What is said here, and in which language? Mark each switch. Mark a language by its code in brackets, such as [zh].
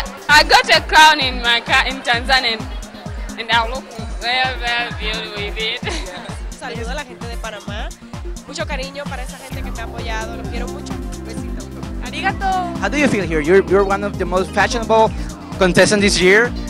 [en] I got a crown in my car in Tanzania and I look very very beautiful with it. [es] Saludo a la gente de Panamá. Mucho cariño para esa gente que me ha apoyado, los quiero mucho. Besito. [ja] Arigato. [en] How do you feel here? You're one of the most fashionable contestants this year.